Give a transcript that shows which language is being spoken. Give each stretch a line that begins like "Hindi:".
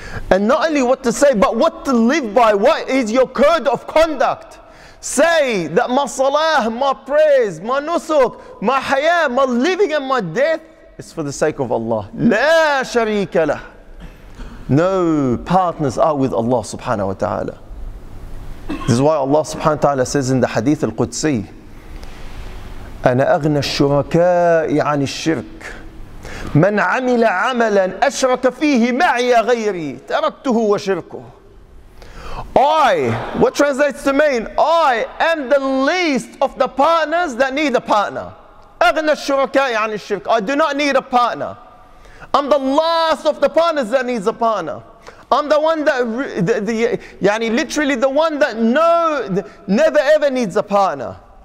English: And not only what to say, but what to live by. What is your code of conduct? Say that my salah, my prayers, my nusuk, my haya, my living and my death, it's for the sake of Allah. La sharika lah. No partners are with Allah subhanahu wa ta'ala.
Arabic: This is why Allah subhanahu wa ta'ala says in the hadith al-Qudsi, أَنَا أَغْنَى الشُّرَكَاءِ عَنِ الشِّرْكِ مَنْ عَمِلَ عَمَلًا أَشْرَكَ فِيهِ مَعِيَ غَيْرِي تَرَكْتُهُ وَشِرْكُهُ.
English: I, what translates to mean, I am the least of the partners that need a partner. أَغْنَى الشُّرَكَاءِ عَنِ الشِّرْكِ. I do not need a partner. I'm the last of the partners that needs a partner. I'm the one that, literally the one that never ever needs a partner.